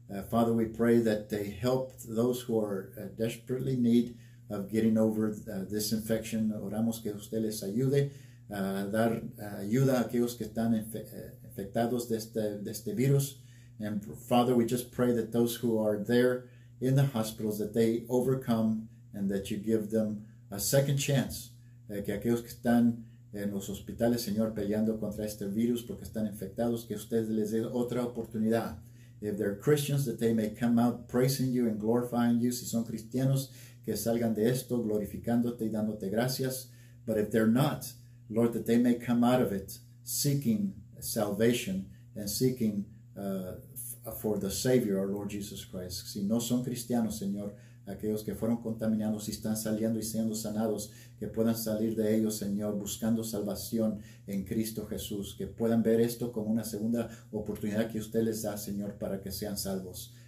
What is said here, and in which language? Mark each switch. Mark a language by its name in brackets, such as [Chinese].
[English] Father, we pray that they help those who are desperately need of getting over this infection. [Spanish] Oramos que usted les ayude a dar ayuda a aquellos que están infectados de este virus. [English] And Father, we just pray that those who are there in the hospitals, that they overcome and that you give them a second chance. [Spanish] Que aquellos que están en los hospitales, Señor, peleando contra este virus porque están infectados, que usted les dé otra oportunidad. [English] If they're Christians, that they may come out praising you and glorifying you. [Spanish] Si son cristianos, que salgan de esto glorificándote y dándote gracias. [English] But if they're not, Lord, that they may come out of it seeking salvation and seeking for the Savior, our Lord Jesus Christ. [Spanish] Si no son cristianos, Señor, aquellos que fueron contaminados y están saliendo y siendo sanados, que puedan salir de ellos, Señor, buscando salvación en Cristo Jesús. Que puedan ver esto como una segunda oportunidad que usted les da, Señor, para que sean salvos.